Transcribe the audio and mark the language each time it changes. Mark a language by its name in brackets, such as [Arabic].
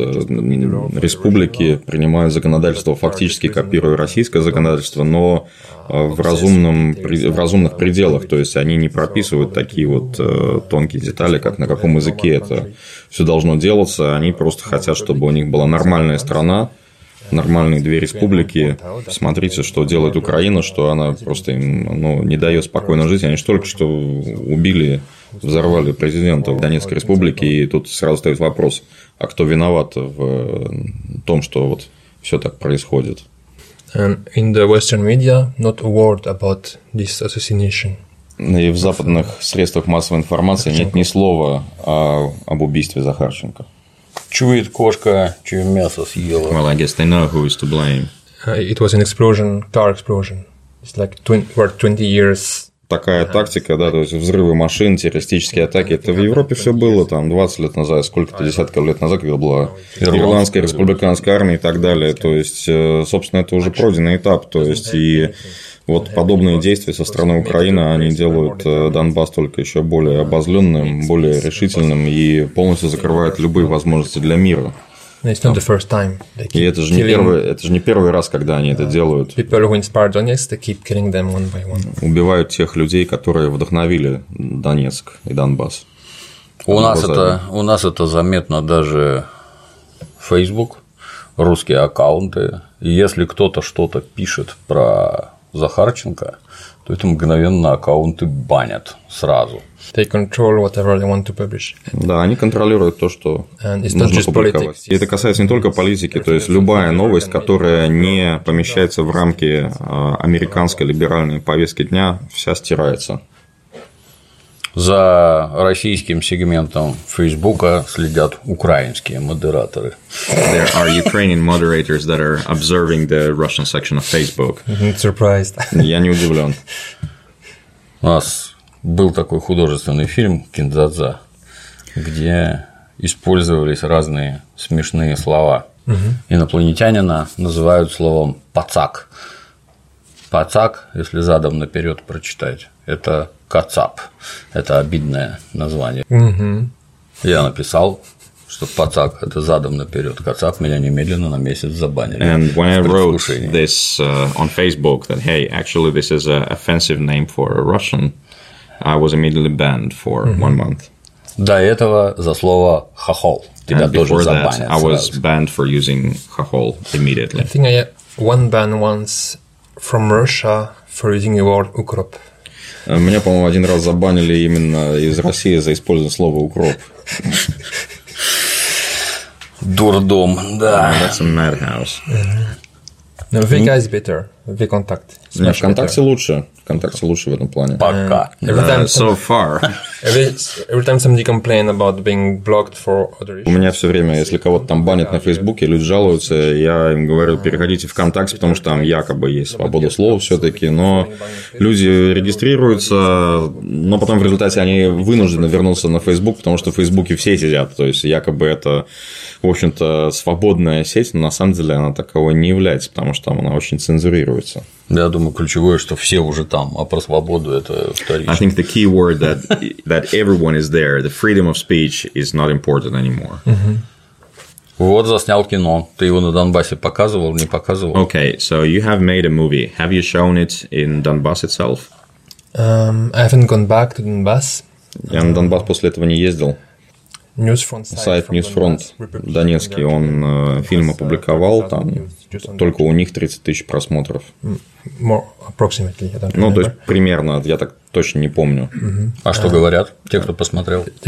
[Russian] Республики принимают законодательство, фактически копируя российское законодательство, но в разумных пределах, то есть они не прописывают такие вот тонкие детали, как на каком языке это все должно делаться, они просто хотят, чтобы у них была нормальная страна, нормальные две республики. Смотрите, что делает Украина, что она просто им, ну, не дает спокойно жить. Они же только что убили, взорвали президента в Донецкой республике, и тут сразу стоит вопрос, а кто виноват в том, что вот все так происходит? [English] In the Western media, not a word about this assassination. [Russian] И в западных средствах массовой информации нет ни слова об убийстве Захарченко. Чует кошка, чье мясо съела. [English] Well, I guess they know who is to blame. It was an explosion, car explosion. It's like 20 years. [Russian] Такая тактика, да, то есть взрывы машин, террористические атаки. Это в Европе все было там 20 лет назад, сколько-то десятков лет назад, когда была Ирландская республиканская армия и так далее. То есть, собственно, это уже пройденный этап. То есть, и вот подобные действия со стороны Украины, они делают Донбасс только еще более обозленным, более решительным и полностью закрывают любые возможности для мира. [English] It's not the first time. [Russian] И это же не первый раз, когда они это делают. [English] People who inspired Donetsk, they keep killing them one by one. [Russian] Убивают тех людей, которые вдохновили Донецк и Донбасс. У нас это заметно даже Facebook, русские аккаунты. И если кто-то что-то пишет про Захарченко, то это мгновенно аккаунты банят сразу. [English] They control whatever they want to publish. [Russian] Да, они контролируют то, что нужно публиковать. И это касается не только политики, то есть любая новость, которая не помещается в рамки американской либеральной повестки дня, вся стирается. за российским сегментом Фейсбука следят украинские модераторы. [English] There are Ukrainian moderators that are observing the Russian section of Facebook. Surprised. [Russian] Я не удивлен. У нас был такой художественный фильм «Киндзадза», где использовались разные смешные слова. Инопланетянина называют словом «пацак». Пацак, если задом наперед прочитать, это кацап. Это обидное название. Я написал, что пацак – это задом наперед. Кацап меня немедленно на месяц забанили. [English] And when I wrote this on Facebook, that, hey, actually, this is an offensive name for a Russian, I was immediately banned for one month. [Russian] До этого за слово «хохол» тебя [English] and [Russian] тоже забанят. [English] That, I was banned for using «хохол» immediately. I think I had one ban once from Russia for using the word «укроп». [Russian] Меня, по-моему, один раз забанили именно из России за использование слова «укроп». Дурдом, да. [English] That's a madhouse. No, VK is better. VKontakt. [Russian] Нет, ВКонтакте лучше. ВКонтакте лучше в этом плане. Пока. [English] So far. Every time somebody complains about being blocked for other issues. [Russian] У меня все время, если кого-то там банят на Фейсбуке, люди жалуются, я им говорю, переходите ВКонтакте, потому что там якобы есть свобода слова все-таки, но люди регистрируются, но потом в результате они вынуждены вернуться на Фейсбук, потому что в Фейсбуке все сидят, то есть якобы это, в общем-то, свободная сеть, но на самом деле она таковой не является, потому что там она очень цензурируется. Я думаю, ключевое, что все уже там, а про свободу это вторично. [English] I think the key word that everyone is there, the freedom of speech is not important anymore. [Russian] Вот заснял кино. Ты его на Донбассе показывал, не показывал? [English] Okay, so you have made a movie. Have you shown it in Donbass itself? I haven't gone back to Donbass. [Russian] Я на Донбасс после этого не ездил. [English] Newsfront [Russian] сайт Ньюсфронт Донецкий, он фильм опубликовал, там только у них 30 тысяч просмотров. Ну, то есть, примерно, я так точно не помню. А что говорят те, кто посмотрел?